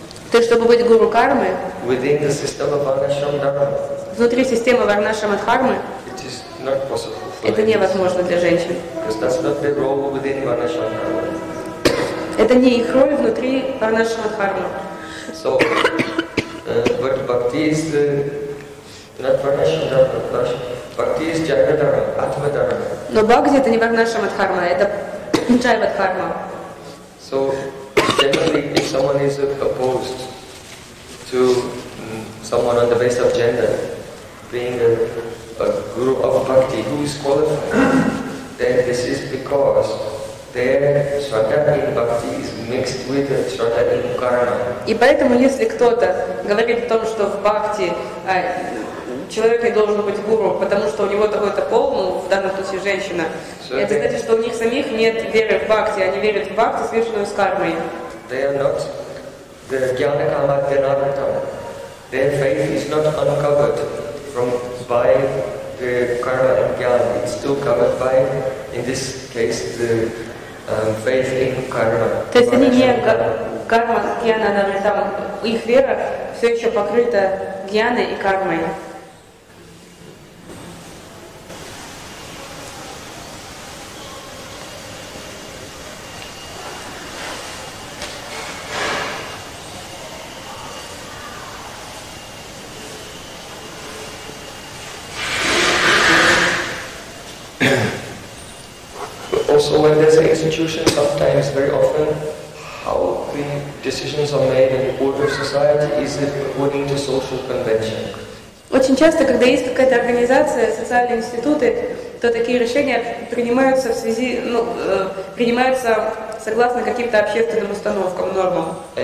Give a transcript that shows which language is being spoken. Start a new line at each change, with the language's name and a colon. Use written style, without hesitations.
Russian: То есть чтобы быть гуру кармы.
English: Within the system of Varnashram Dharma.
Russian: Внутри системы Варнашрама Дхармы.
English: It is not possible for ladies.
Russian: Это невозможно для женщин.
English: Because that's not their role within Varnashram Dharma.
Russian: Это не их роль внутри Варнашрама Дхармы.
English: So, but bhakti is not Varnashram Dharma. Bhakti is Jaya Dharma, Atma Dharma.
Russian: Но бхакти это не Варнашрама Дхарма, это Джайва Дхарма.
English: So generally, if someone is opposed to someone on the basis of gender being a guru of bhakti who is qualified, then this is because their shraddha in bhakti is mixed with shraddha in karma.
Russian: И поэтому, если кто-то говорит о том, что в бхакти человек не должен быть гуру, потому что у него такой-то пол, ну, в данном случае женщина. So это значит, что у них самих нет веры в бхакти, они верят в бхакти, смешанную с кармой.
English: They are not the jnana kama janata. Their faith is not uncovered from by the karma and jnana. It's still covered by, in this case, the faith in karma.
Russian: То есть они не карма jnana janata. Их вера все еще покрыта jnаной и кармой.
English: So when there's an institution, sometimes, very often, how the decisions are made in the order of society is according to social convention.
Russian: Очень часто, когда есть какая-то организация, социальные институты, то такие решения принимаются в связи, ну, принимаются согласно каким-то общественным установкам, нормам.